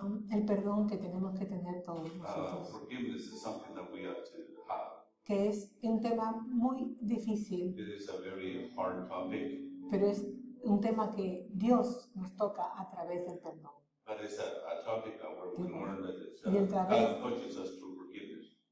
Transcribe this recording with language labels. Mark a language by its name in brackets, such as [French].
[Spanish] El perdón que tenemos que tener todos nosotros. [English] Forgiveness is something that we have to have. [Spanish] Que es un tema muy difícil. [English] It is a very hard topic. [Spanish] Pero es un tema que Dios nos toca a través del perdón. [English] But it's a topic that we learn that God pushes us to forgiveness.